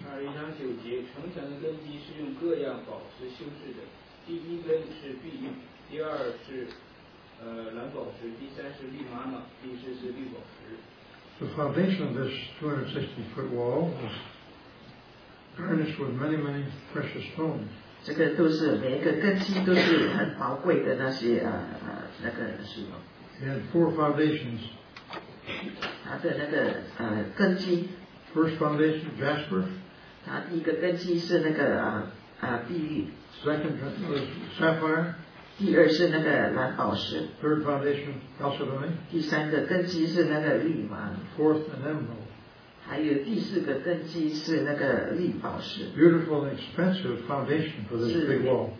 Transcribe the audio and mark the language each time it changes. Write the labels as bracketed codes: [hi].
[zh] 21:9, 城墙的根基是用各样宝石修饰的。第一根是碧玉，第二是蓝宝石，第三是绿玛瑙，第四是绿宝石。 [en] The foundation of this 260-foot wall was garnished with many, many precious stones. [zh] 这个都是每一个根基都是很宝贵的那些那个石头。 [en] It had 4 foundations. [zh] 它的那个根基。 [en] First foundation jasper. [zh] 它第一个根基是那个碧玉。 [en] Second was sapphire. [zh] 第二是那个蓝宝石。 [en] Third foundation, chalcedony. [zh] 第三个根基是那个绿玛瑙。 [en] Fourth, an emerald. [zh] 还有第四个根基是那个绿宝石。 [en] Beautiful and expensive foundation for this big wall.